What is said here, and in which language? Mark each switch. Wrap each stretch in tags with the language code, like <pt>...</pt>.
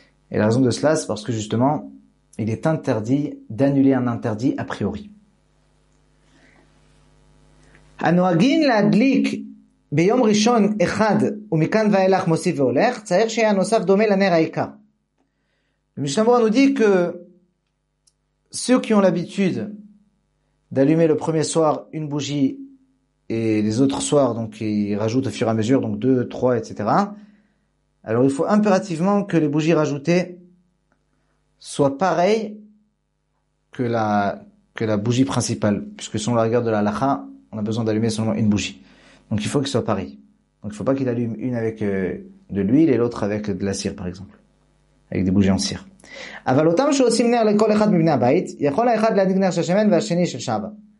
<fr>Et la raison de cela, c'est parce que justement il est interdit d'annuler un interdit a priori.</fr> <he>Anoagin l'adlik ביום ראשון אחד ומכאן ואילך מוסיף והולך צריך שיהיה נוסף דומה לנר העיקר.</he> <fr>Le Mishnah Berurah nous dit que ceux qui ont l'habitude d'allumer le premier soir une bougie et les autres soirs, donc ils rajoutent au fur et à mesure, donc deux, trois, etc. Alors il faut impérativement que les bougies rajoutées soient pareilles que la bougie principale, puisque selon la rigueur de la halakha, on a besoin d'allumer seulement une bougie. Donc il faut qu'il soit pareil. Donc il ne faut pas qu'il allume une avec de l'huile et l'autre avec de la cire, par exemple. Avec des bougies en cire.</fr> <he>אבל אותם שעושים נר לכל אחד מבני הבית, יכול האחד להדליק נר של שמן והשני של שבת.</he>